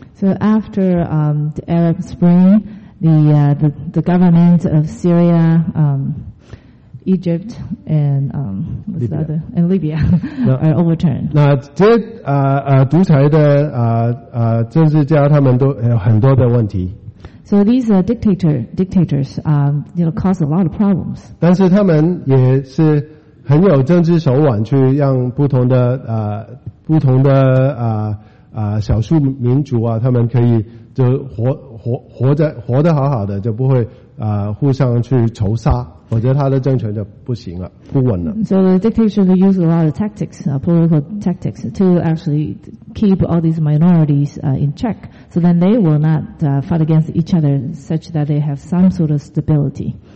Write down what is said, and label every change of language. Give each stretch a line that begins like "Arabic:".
English: So after the Arab Spring, the government of Syria, Egypt and Libya are overturned.
Chinese: 那这独裁的政治家他们都有很多的问题。
English: So these dictators cause a lot of problems.
Chinese: 但是他们也是很有政治手腕，去让不同的少数民族啊，他们可以就活得好好的，就不会互相去仇杀，否则他的政权就不行了，不稳了。
English: So the dictators use a lot of tactics, political tactics, to actually keep all these minorities in check, so then they will not fight against each other, such that they have some sort of stability.